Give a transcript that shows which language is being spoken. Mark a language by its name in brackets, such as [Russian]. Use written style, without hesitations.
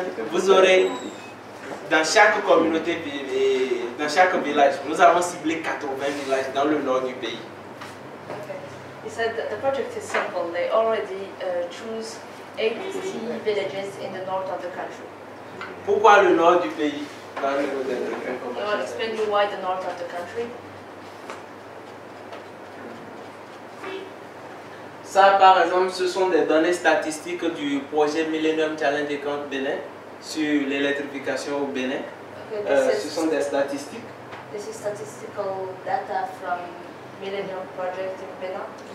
[French] Vous aurez dans chaque communauté et dans chaque village. Nous avons ciblé 80 villages dans le nord du pays. [English] He said that the project is simple. They already choose 80 villages in the north of the country. [French] Pourquoi le nord du pays? [English] I'll explain you why the north of the country. [French] Ça, par exemple, ce sont des données statistiques du projet Millennium Challenge Camp Bénin sur l'électrification au Bénin. Ce sont des statistiques. [English] This is statistical data from Millennium Project in Bénin.